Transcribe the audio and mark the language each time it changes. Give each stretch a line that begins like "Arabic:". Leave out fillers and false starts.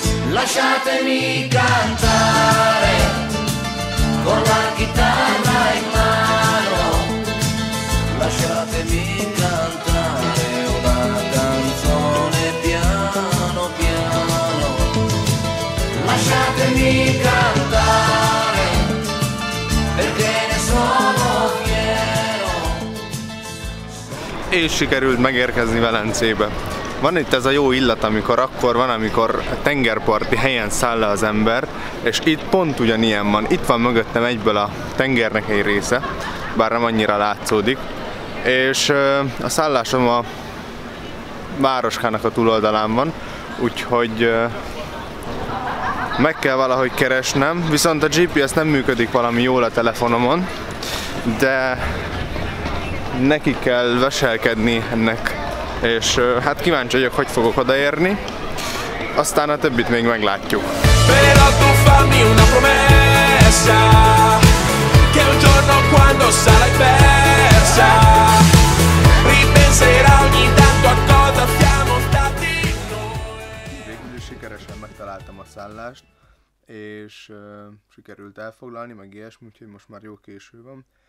Italian: Lasciatemi cantare con la chitarra in mano, lasciatemi cantare una canzone piano piano. Lasciatemi cantare perché ne sono fiero.
Hungarian: E sikerült megérkezni Velencébe. Van itt ez a jó illat, amikor akkor van, amikor tengerparti helyen száll le az ember, és itt pont ugyanilyen van. Itt van mögöttem egyből a tengernek egy része, bár nem annyira látszódik. És a szállásom a városkának a túloldalán van, úgyhogy meg kell valahogy keresnem. Viszont a GPS nem működik valami jól a telefonomon, de neki kell veselkedni ennek. És hát kíváncsi vagyok, hogy fogok odaérni. Aztán a többit még meglátjuk.
Italian: Però tu fammi una promessa, che un giorno quando sarai persa, ripenserà ogni tanto a cosa siamo stati noi.
Hungarian: Végül is sikeresen megtaláltam a szállást, és sikerült elfoglalni, meg ilyesmi, úgyhogy most már jó késő van.